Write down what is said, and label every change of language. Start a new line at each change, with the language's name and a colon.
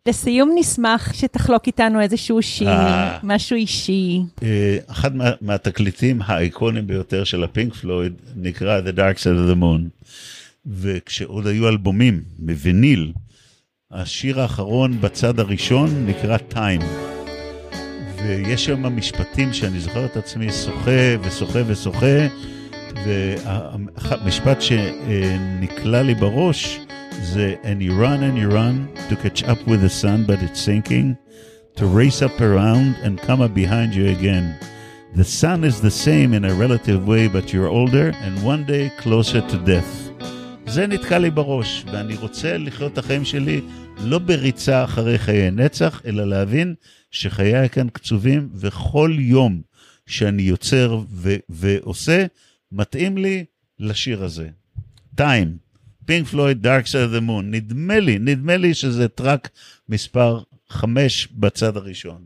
Hebrew: לסיום נשמח שתחלוק איתנו איזשהו שיר, משהו אישי. אחד מהתקליטים האיקונים ביותר של הפינק פלויד נקרא The Dark Side of the Moon. וכשעוד היו אלבומים מויניל, השיר האחרון בצד הראשון נקרא Time. ויש שם המשפטים שאני זוכר את עצמי שוחה ושוחה ושוחה, והמשפט שנקלע לי בראש זה
English: and you run to catch up with the sun but it's sinking to race up around and come up behind you again. The sun is the same in a relative way but you're older and one day closer to death.
Hebrew: זה נתקע לי בראש, ואני רוצה לחיות את החיים שלי לא בריצה אחרי חיי נצח, אלא להבין שחיי כאן קצובים, וכל יום שאני יוצר ועושה מתאים לי לשיר הזה. Time, Pink Floyd, Dark Side of the Moon. נדמה לי שזה טרק מספר 5 בצד הראשון.